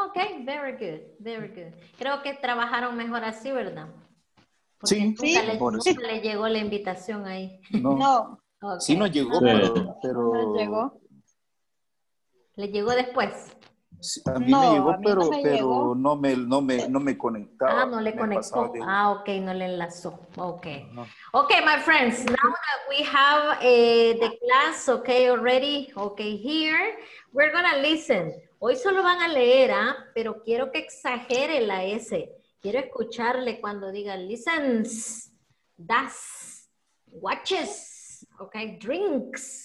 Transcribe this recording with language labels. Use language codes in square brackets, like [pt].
[en] Okay, very good, very good. [es] Creo que trabajaron mejor así, ¿verdad? Porque sí. Nunca le llegó la invitación ahí. No. Okay. Sí nos llegó, pero... ¿No llegó? ¿Le llegó después? Sí, a mí me llegó, pero no me conectaba. Ah, no le me conectó. No le enlazó. Okay. No. [en] Okay, my friends, now that we have the class, okay, already, okay, here, we're gonna listen. [es] Hoy solo van a leer, ¿ah? Pero quiero que exagere la S. Quiero escucharle cuando diga listens, das, watches, okay, drinks,